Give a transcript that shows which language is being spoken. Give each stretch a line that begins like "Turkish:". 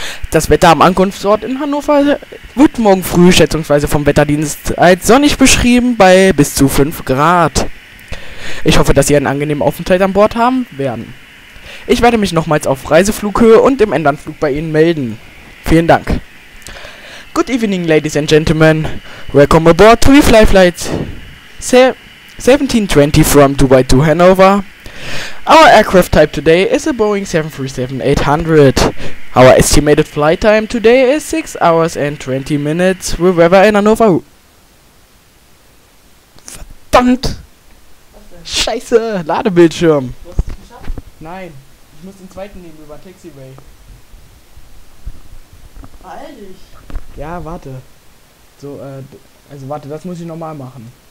German: Das Wetter am Ankunftsort in Hannover wird morgen früh schätzungsweise vom Wetterdienst als sonnig beschrieben bei bis zu 5 Grad. Ich hoffe, dass Sie einen angenehmen Aufenthalt an Bord haben werden. Ich werde mich nochmals auf Reiseflughöhe und im Endanflug bei Ihnen melden. Vielen Dank.
English: Good evening, ladies and gentlemen. Welcome aboard to the Fly Flight 1720 from Dubai to Hannover. Our aircraft type today is a Boeing 737-800. Our estimated flight time today is 6 hours and 20 minutes with weather in Hannover.
German: Verdammt! Scheiße, Ladebildschirm. Du hast es geschafft? Nein. Ich muss den zweiten nehmen über Taxiway. Beeil dich. Ja, warte. So, also warte, das muss ich nochmal machen.